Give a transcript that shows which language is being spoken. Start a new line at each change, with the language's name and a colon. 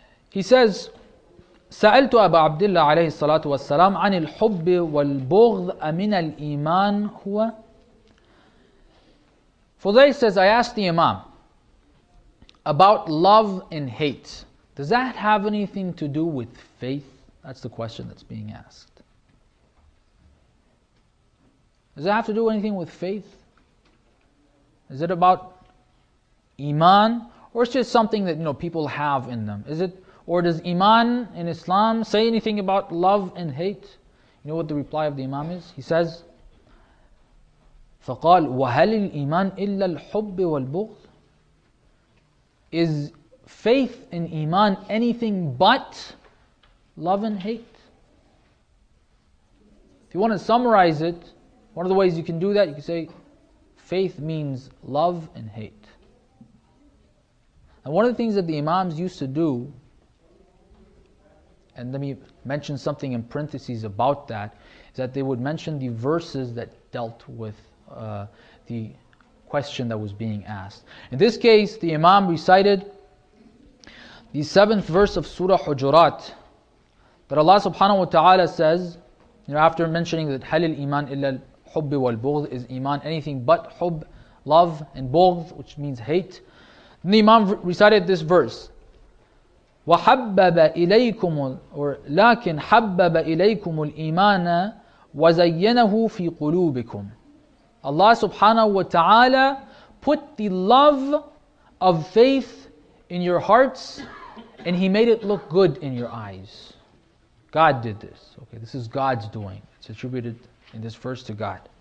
English: He says,
Arabic: سألت أبا عبد الله عليه الصلاة والسلام عن الحب والبغض أمن الإيمان هو.
English: Fudayl says, I asked the Imam about love and hate. Does that have anything to do with faith? That's the question that's being asked. Does that have to do anything with faith? Is it about iman, or is it just something that, you know, people have in them? Is it, or does iman in Islam say anything about love and hate? You know what the reply of the Imam is? He says,
Arabic: فقال وهل الإيمان إلا الحب والبغض.
English: Is faith in iman anything but love and hate? If you want to summarize it, one of the ways you can do that, you can say faith means love and hate. And one of the things that the imams used to do, and let me mention something in parentheses about that, is that they would mention the verses that dealt with the question that was being asked. In this case, the Imam recited the seventh verse of Surah Hujurat, that Allah subhanahu wa ta'ala says, you know, after mentioning that
Arabic: هَلِ الْإِيمَانِ إِلَّا الْحُبِّ وَالْبُغْضِ,
English: is iman anything but hub, love, and bughd, which means hate. Then the Imam recited this verse,
Arabic: وَحَبَّبَ إِلَيْكُمُ,
English: or
Arabic: لَكِنْ حَبَّبَ إِلَيْكُمُ الْإِيمَانَ وَزَيَّنَهُ فِي قُلُوبِكُمْ.
English: Allah subhanahu wa ta'ala put the love of faith in your hearts and He made it look good in your eyes. God did this. Okay, this is God's doing. It's attributed in this verse to God.